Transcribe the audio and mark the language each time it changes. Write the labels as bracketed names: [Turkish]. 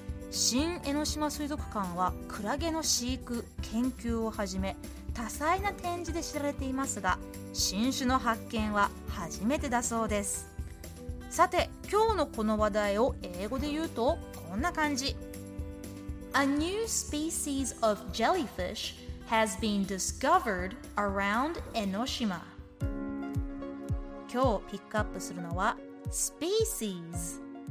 [Japanese] 新江ノ島水族館はクラゲの飼育研究をはじめ多彩な展示で知られていますが、新種の発見は初めてだそうです。さて今日のこの話題を英語で言うとこんな感じ。 [English] A new species of jellyfish has been discovered around Enoshima. [Japanese] 今日ピックアップするのは species。